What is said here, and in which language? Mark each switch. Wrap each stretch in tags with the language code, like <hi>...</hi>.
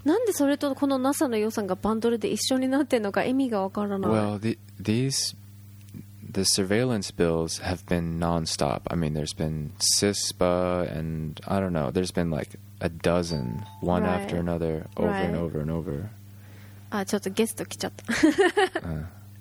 <ja>なんでそれとこの NASA の予算がバンドルで一緒になってんのか意味がわからない。</ja> <en>Well, the surveillance bills have been non-stop. I mean, there's been CISPA and I don't know, there's been like a dozen one after another over and over and over.</en> <ja>あ、ちょっとゲスト来ちゃった。</ja>